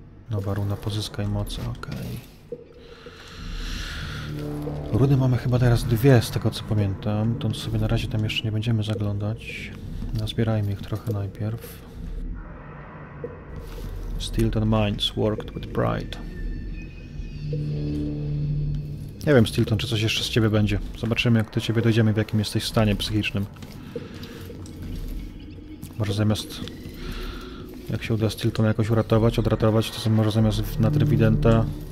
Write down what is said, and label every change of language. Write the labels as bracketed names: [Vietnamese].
[Polish] Nowa runa, pozyskaj moce, okej. Okay. Runy mamy chyba teraz dwie, z tego co pamiętam. To sobie na razie tam jeszcze nie będziemy zaglądać. Nazbierajmy ich trochę najpierw. [English] Stilton Mines worked with pride. [Polish] Nie wiem, Stilton, czy coś jeszcze z ciebie będzie. Zobaczymy, jak do ciebie dojdziemy, w jakim jesteś stanie psychicznym. Może zamiast... Jak się uda Stiltona jakoś uratować, odratować, to może zamiast na Trevidenta...